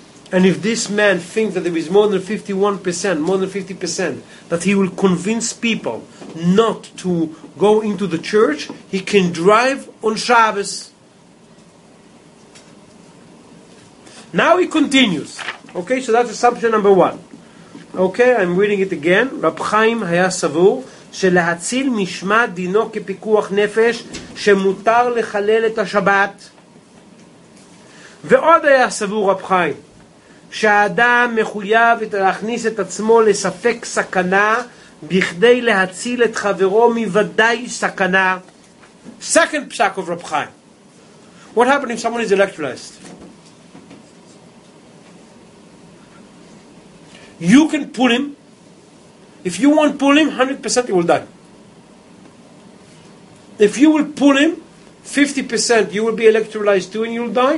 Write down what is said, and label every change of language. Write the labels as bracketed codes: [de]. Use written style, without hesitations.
[en] And if this man thinks that there is more than 51%, more than 50%, that he will convince people not to go into the church, he can drive on Shabbos. Now he continues. Okay, so that's assumption number one. Okay, I'm reading it again. [he] Rab Chaim Haya Savur, שלהציל משמע דינו כפיקוח נפש, שמותר לחלל את השבת. ועוד היה סבור רב חיים, שהאדם מחויב להכניס את עצמו לספק סכנה בכדי להציל את חברו מוודאי סכנה. [en] Second psak of Rav Chaim. What happened if someone is electrolyzed? You can pull him. If you won't pull him, 100% you will die. If you will pull him, 50% you will be electrolyzed too and you will die.